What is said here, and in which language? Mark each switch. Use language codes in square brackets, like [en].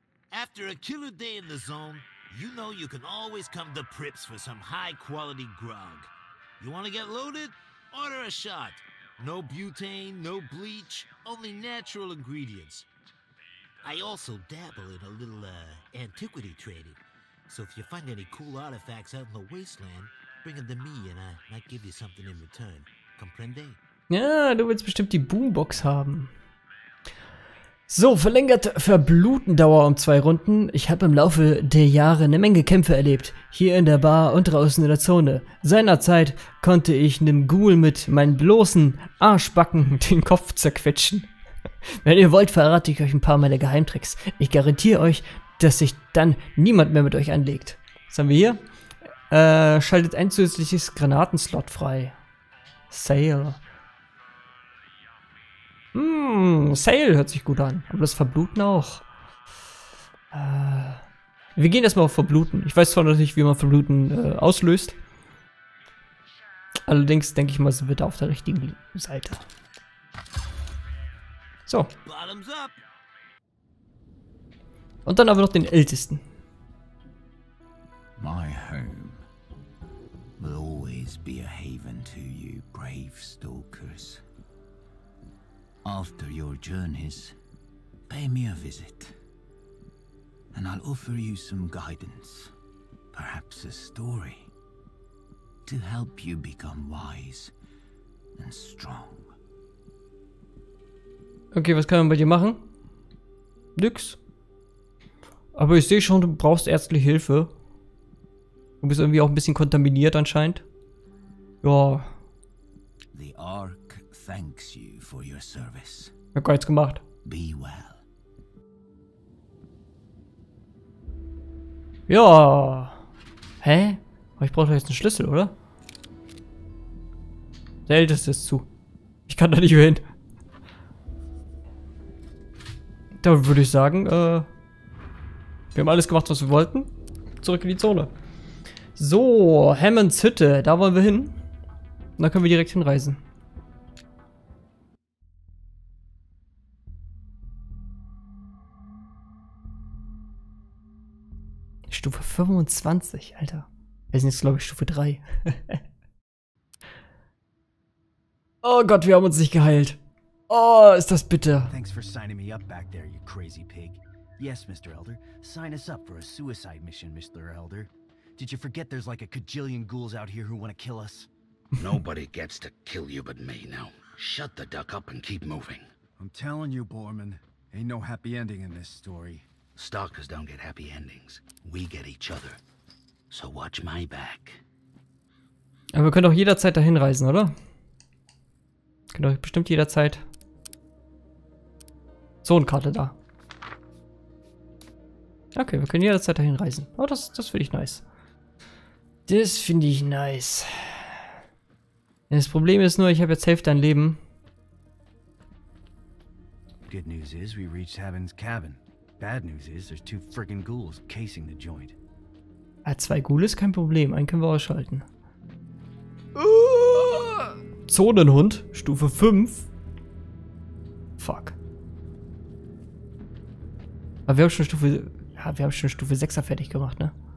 [en] After a killer day in the zone, you know you can always come to Prips for some high-quality grog. You want to get loaded? Order a shot. No butane, no bleach, only natural ingredients. I also dabble in a little, antiquity trading. So if you find any cool artifacts out in the wasteland, bring them to me and I might give you something in return. [es] Comprende? [de] Ja, du willst bestimmt die Boombox haben. So, verlängerte Verblutendauer um 2 Runden. Ich habe im Laufe der Jahre eine Menge Kämpfe erlebt. Hier in der Bar und draußen in der Zone. Seinerzeit konnte ich einem Ghoul mit meinen bloßen Arschbacken den Kopf zerquetschen. Wenn ihr wollt, verrate ich euch ein paar meiner Geheimtricks. Ich garantiere euch, dass sich dann niemand mehr mit euch anlegt. Was haben wir hier? Schaltet ein zusätzliches Granatenslot frei. Sale. Sale hört sich gut an. Aber das Verbluten auch. Wir gehen erstmal auf Verbluten. Ich weiß zwar noch nicht, wie man Verbluten auslöst. Allerdings denke ich mal, sie wird auf der richtigen Seite. So. Und dann haben wir noch den Ältesten. [en] My home will always be a haven to you, brave stalkers. After your journeys, pay me a visit. And I'll offer you some guidance, perhaps a story, to help you become wise and strong. [de] Okay, was kann man bei dir machen? Nix. Aber ich sehe schon, du brauchst ärztliche Hilfe. Du bist irgendwie auch ein bisschen kontaminiert anscheinend. Ja. [en] The Ark thanks you for your service. [de] Hab gar nichts gemacht. [en] Be well. [de] Ja. Hä? Aber ich brauche doch jetzt einen Schlüssel, oder? Der Älteste ist zu. Ich kann da nicht mehr hin. Da würde ich sagen, wir haben alles gemacht, was wir wollten. Zurück in die Zone. So, Hammonds Hütte, da wollen wir hin. Da können wir direkt hinreisen. Stufe 25, Alter. Wir sind jetzt, glaube ich, Stufe 3. Oh Gott, wir haben uns nicht geheilt. Oh, ist das bitter. [en] Thanks for signing me up back there, you crazy pig. Yes, Mr. Elder. Sign us up for a suicide mission, Mr. Elder. Did you forget there's like a kajillion ghouls out here who want to kill us? Nobody gets to kill you but me now. Shut the duck up and keep moving. I'm telling you, Borman, ain't no happy ending in this story. Stalkers don't get happy endings. We get each other. So watch my back. [de] Aber wir können doch jederzeit dahin reisen, oder? Wir können doch bestimmt jederzeit. Zonenkarte da. Okay, wir können jederzeit dahin reisen. Oh, das finde ich nice. Das finde ich nice. Das Problem ist nur, ich habe jetzt Hälfte an Leben. [en] Good news is, we reached Haven's cabin. Bad news is, there's two friggin' ghouls casing the joint. [de] Ah, zwei Ghouls ist kein Problem. Einen können wir ausschalten. Zonenhund, Stufe 5. Fuck. Aber wir haben schon Stufe. Ja, wir haben schon Stufe 6er fertig gemacht, ne?